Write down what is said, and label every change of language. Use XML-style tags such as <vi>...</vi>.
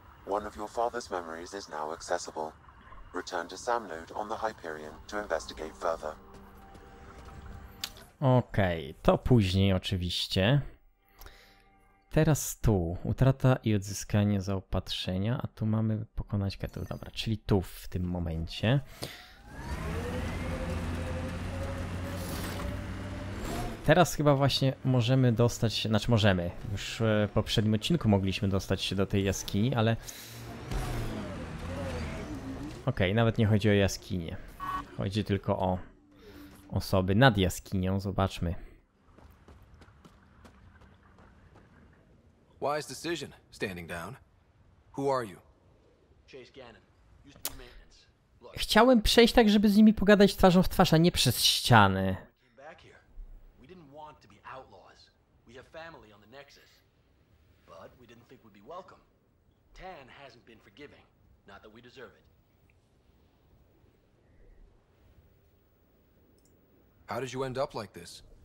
<en>One of your father's memories is now accessible. Return to Sam Node on the Hyperion to investigate further.</en> <pl>Okej, to później oczywiście. Teraz tu, utrata i odzyskanie zaopatrzenia, a tu mamy pokonać Ketu, dobra, czyli tu w tym momencie. Teraz chyba właśnie możemy dostać się, znaczy możemy, już w poprzednim odcinku mogliśmy dostać się do tej jaskini, ale... Okej, nawet nie chodzi o jaskinię, chodzi tylko o osoby nad jaskinią, zobaczmy.</pl> <en>Wise decision, standing down. Who are you? Chase Gannon. Used to be maintenance. Look.</en> <pl>Chciałem przejść tak, żeby z nimi pogadać twarzą w twarz, a nie przez ściany.</pl> <en>We didn't want to be outlaws. We have family on the Nexus. But we didn't think we'd be welcome. Tan hasn't been forgiving. Not that we deserve it. How did you end up like this?</en>